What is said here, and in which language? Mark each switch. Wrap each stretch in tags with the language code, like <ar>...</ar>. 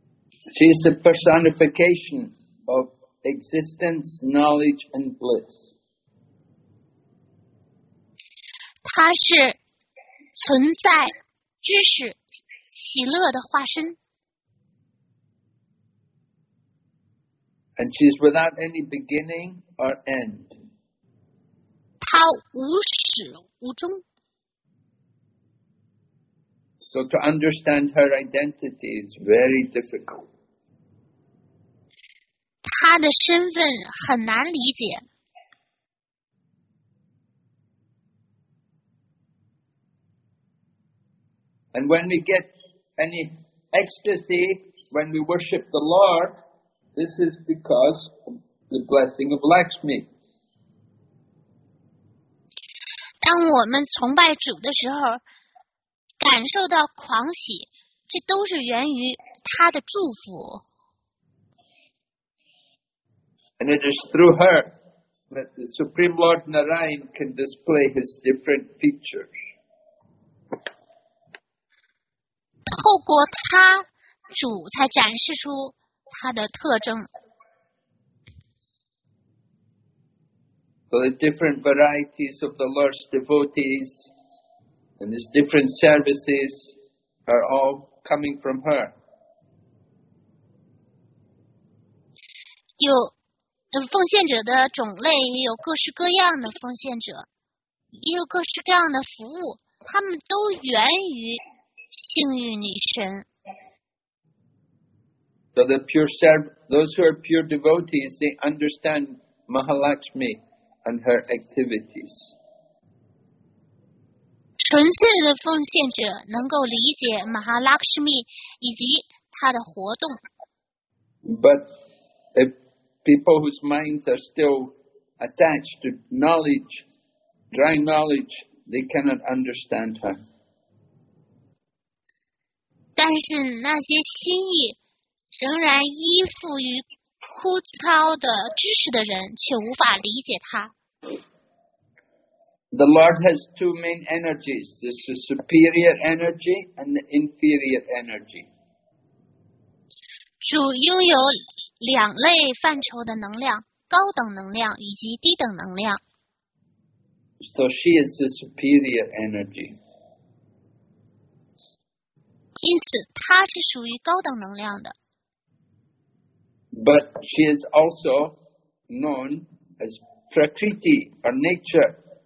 <en>She is the personification of existence, knowledge, and bliss.</en> <zh>他是存在、知识、喜乐的化身。</zh> <en>And she's without any beginning or end.</en> <zh>他无始无终。</zh> <en>So to understand her identity is very difficult.</en> <zh>他的身份很难理解。</zh> <en>And when we get any ecstasy, when we worship the Lord, this is because of the blessing of Lakshmi.</en> <zh>当我们崇拜主的时候，感受到狂喜，这都是源于他的祝福。</zh> <en>And it is through her that the Supreme Lord Narayan can display his different features.</en> <zh>透过他，主才展示出他的特征。</zh> <en>So the different varieties of the Lord's devotees and his different services are all coming from her.</en> <zh>有奉献者的种类也有各式各样的奉献者，也有各式各样的服务，他们都源于幸运女神。</zh> <en>So the pure serve, those who are pure devotees, they understand Mahalakshmi and her activities.</en> <zh>纯粹的奉献者能够理解 Mahalakshmi 以及她的活动。</zh> <en>But if people whose minds are still attached to knowledge, dry knowledge, they cannot understand her.</en> <zh>但是那些心意仍然依附于枯燥的知识的人却无法理解他。</zh> <en>The Lord has two main energies. This is superior energy and the inferior energy.</en> <zh>主拥有两类范畴的能量，高等能量以及低等能量。</zh> <en>So she is the superior energy.</en> <zh>因此她是属于高等能量的。</zh> <en>But she is also known as Prakriti or nature.</en>